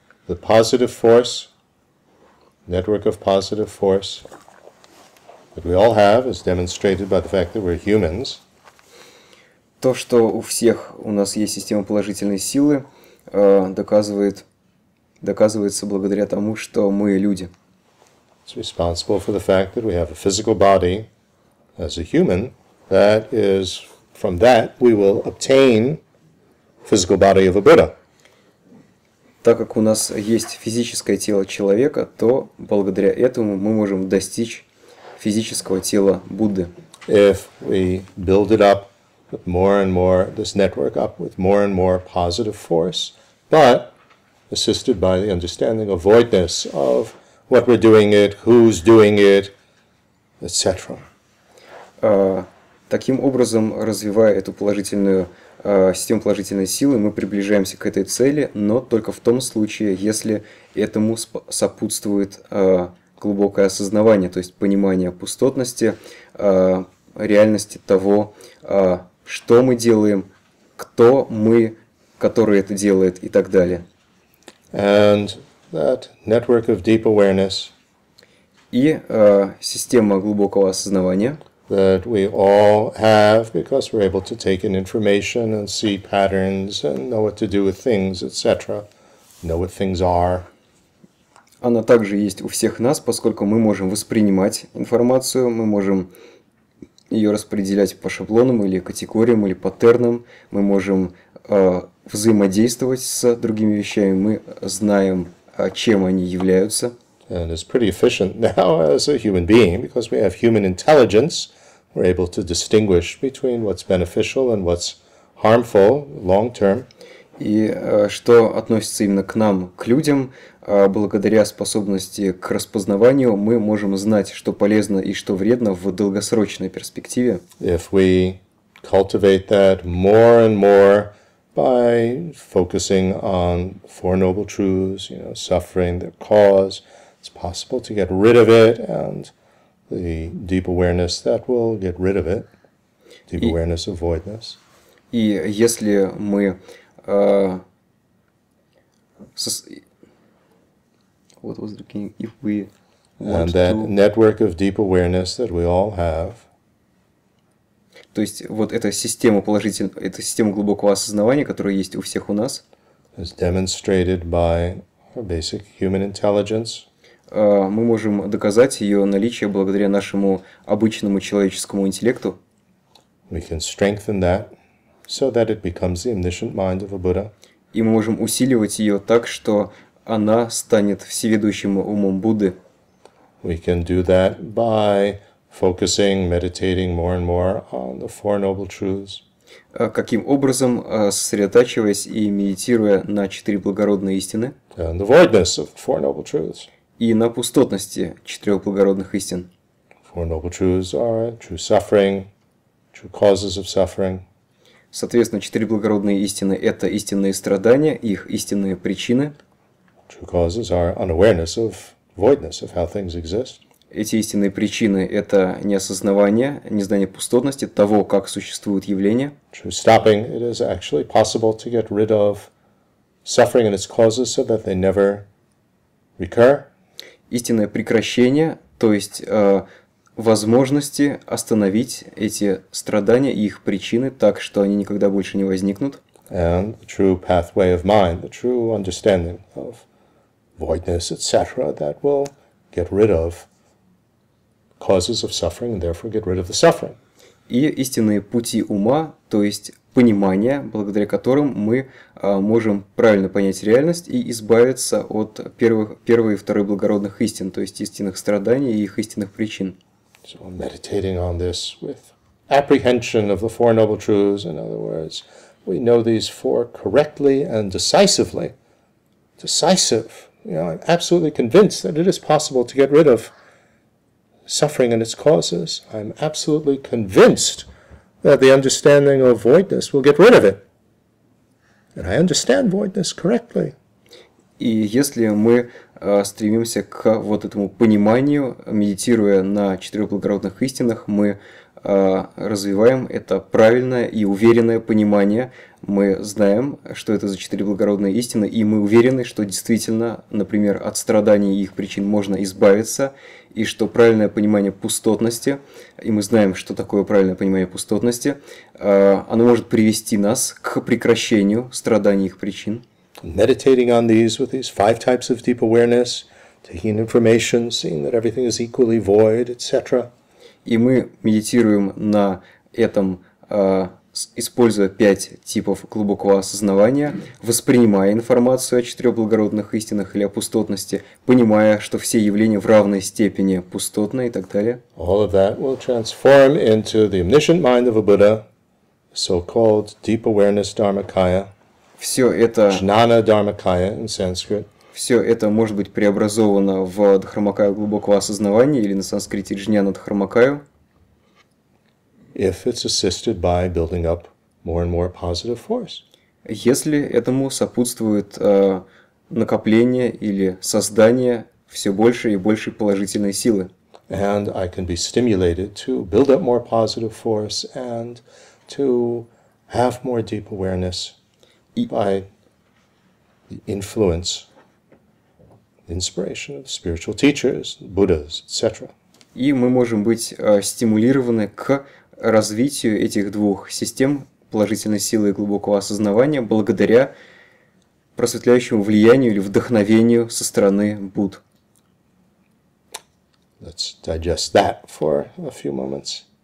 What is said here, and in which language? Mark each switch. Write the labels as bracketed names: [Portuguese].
[English] The positive force, network of positive force, that we all have, is demonstrated by the fact that we're humans. [Russian] То, что у всех у нас есть система положительной силы, доказывается благодаря тому, что мы люди. [English] It's responsible for the fact that we have a physical body as a human, that is, from that we will obtain physical body of a Buddha. [Russian] Так как у нас есть физическое тело человека, то благодаря этому мы можем достичь физического тела Будды. [English] If we build it up with more and more, this network up with more and more positive force, but assisted by the understanding of voidness of what we're doing it, who's doing it, etc. [Russian] Таким образом, развивая эту положительную систему положительной силы, мы приближаемся к этой цели, но только в том случае, если этому сопутствует глубокое осознавание, то есть понимание пустотности, реальности того, что мы делаем, кто мы, который это делает и так далее. [English] And that network of deep awareness. [Russian] И система глубокого осознавания. [English] That we all have because we're able to take in information and see patterns and know what to do with things, etc. Know what things are. [Russian] Она также есть у всех нас, поскольку мы можем воспринимать информацию, мы можем ее распределять по шаблонам или категориям или паттернам, мы можем взаимодействовать с другими вещами, мы знаем, чем они являются. [English] And it's pretty efficient now as a human being because we have human intelligence. We're able to distinguish between what's beneficial and what's harmful long term. [Russian] И что относится именно к нам, к людям, благодаря способности к распознаванию, мы можем знать, что полезно и что вредно в долгосрочной перспективе. [English] If we cultivate that more and more by focusing on Four Noble Truths, you know, suffering, their cause, it's possible to get rid of it and the deep awareness that will get rid of it, deep awareness of voidness. [Russian] И если мы [English] what was the king? If we and that to... network of deep awareness that we all have. [Russian] То есть вот эта система положительного, эта система глубокого осознавания, которая есть у всех у нас. [English] Is demonstrated by our basic human intelligence. [Russian] Мы можем доказать ее наличие благодаря нашему обычному человеческому интеллекту. [English] We can strengthen that. So that it becomes the omniscient mind of a Buddha. [Russian] И мы можем усиливать ее так, что она станет всеведущим умом Будды. [English] We can do that by focusing, meditating more and more on the Four Noble Truths. [Russian] Каким образом, сосредотачиваясь и медитируя на четыре благородные истины? [English] And the voidness of Four Noble Truths. [Russian] И на пустотности четырех благородных истин. [English] Four Noble Truths are true suffering, true causes of suffering. [Russian] Соответственно, четыре благородные истины – это истинные страдания, их истинные причины. [English] True causes are unawareness of voidness, of how things exist. [Russian] Эти истинные причины – это неосознавание, незнание пустотности, того, как существуют явления. [English] True stopping – it is actually possible to get rid of suffering and its causes so that they never recur. [Russian] Истинное прекращение, то есть возможности остановить эти страдания и их причины так, что они никогда больше не возникнут. [English] And the true pathway of mind, the true understanding of voidness, etc., that will get rid of causes of suffering and therefore get rid of the suffering. [Russian] И истинные пути ума, то есть понимание, благодаря которым мы можем правильно понять реальность и избавиться от первой и второй благородных истин, то есть истинных страданий и их истинных причин. [English] So I'm meditating on this with apprehension of the Four Noble Truths. In other words, we know these four correctly and decisively. Decisive. You know, I'm absolutely convinced that it is possible to get rid of suffering and its causes. I'm absolutely convinced that the understanding of voidness will get rid of it. And I understand voidness correctly. [Russian] И если мы стремимся к вот этому пониманию, медитируя на четырех благородных истинах, мы развиваем это правильное и уверенное понимание. Мы знаем, что это за четыре благородные истины, и мы уверены, что действительно, например, от страданий и их причин можно избавиться, и что правильное понимание пустотности, и мы знаем, что такое правильное понимание пустотности, оно может привести нас к прекращению страданий и их причин. [English] Meditating on these with these five types of deep awareness, taking information, seeing that everything is equally void, etc. [Russian] И мы медитируем на этом, используя пять типов глубокого осознавания, воспринимая информацию о четырех благородных истинах или о пустотности, понимая, что все явления в равной степени пустотны и так далее. [English] All of that will transform into the omniscient mind of a Buddha, so-called deep awareness dharmakaya. [Russian] Все это [English] Jnana Dharmakaya in Sanskrit. [Russian] Все это может быть преобразовано в дхармакаю глубокого осознавания или на санскрите джняна дхармакаю. [English] If it's assisted by building up more and more positive force. [Russian] Если этому сопутствует накопление или создание все больше и больше положительной силы. [English] And I can be stimulated to build up more positive force and to have more deep awareness. By the influence, inspiration of spiritual teachers, Buddhas, etc. [Russian] И мы можем быть стимулированы к развитию этих двух систем положительной силы и глубокого осознавания благодаря просветляющему влиянию или вдохновению со стороны Будд. [English] Let's digest that for a few moments.